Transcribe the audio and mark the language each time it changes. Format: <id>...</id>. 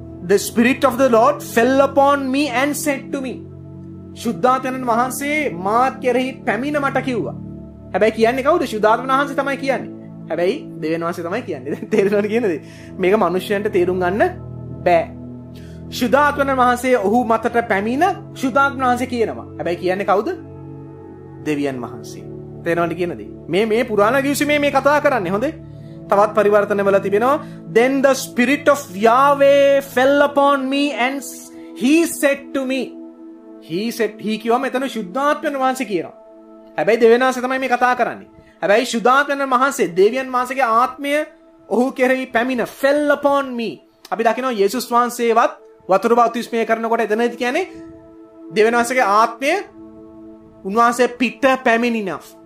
<en>The spirit of the lord fell upon me and said to me.</en> <si>ශුද්ධාත්මන වහන්සේ මා කෙරෙහි පැමිණ මට කිව්වා. හැබැයි කියන්නේ කවුද? ශුද්ධාත්මන වහන්සේ තමයි කියන්නේ. හැබැයි දෙවියන් වහන්සේ තමයි කියන්නේ. දැන් තේරෙනවද කියන දේ? මේක මිනිස්සුන්ට තේරුම් ගන්න බෑ. ශුද්ධාත්මන වහන්සේ ඔහු මතට පැමිණ ශුද්ධාත්මන වහන්සේ කියනවා. හැබැයි කියන්නේ කවුද? දෙවියන් වහන්සේ. තේරෙනවද කියන දේ? මේ පුරාණ ගිවිසුමේ මේ කතා කරන්නේ. හොඳේ. තවත් පරිවර්තන වෙලා තිබෙනවා.</si> <en>Then the spirit of Yahweh fell upon me and he said to me.</en> <si>He කියවම එතන ශුද්ධාත්මන වහන්සේ කියනවා. හැබැයි දෙවියන් වහන්සේ තමයි මේ කතා කරන්නේ. හැබැයි ශුද්ධාත්මන වහන්සේ දෙවියන් වහන්සේගේ ආත්මය ඔහු කෙරෙහි පැමිණ</si> <en>fell upon me.</en> <si>අපි දකිනවා යේසුස් වහන්සේවත් වතුර බෞතිස්මය කරනකොට එතනදි කියන්නේ දෙවියන් වහන්සේගේ ආත්මය උන්වහන්සේ පිට පැමිණිනා.</si>